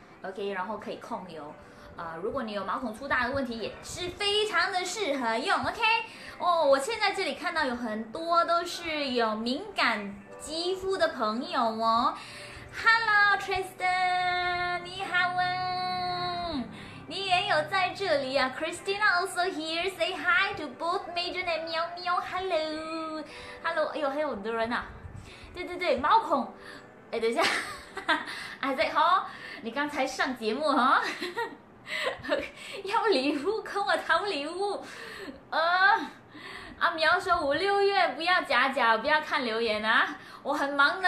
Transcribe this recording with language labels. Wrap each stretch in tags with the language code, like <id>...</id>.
<zh>OK， 然后可以控油，如果你有毛孔粗大的问题也是非常的适合用。 OK， 我现在这里看到有很多都是有敏感肌肤的朋友哦。 Hello Tristan，你好啊，你也有在这里啊。</zh> <en>Christina also here， say hi to both Majun and 喵喵。</en> <zh>Hello Hello，哎呦，还有很多人啊。对对对，毛孔，哎，等一下 Isaac 哈，你刚才上节目哈，要礼物跟我讨礼物，阿苗说五六月不要假假，不要看留言啊，我很忙的。</zh>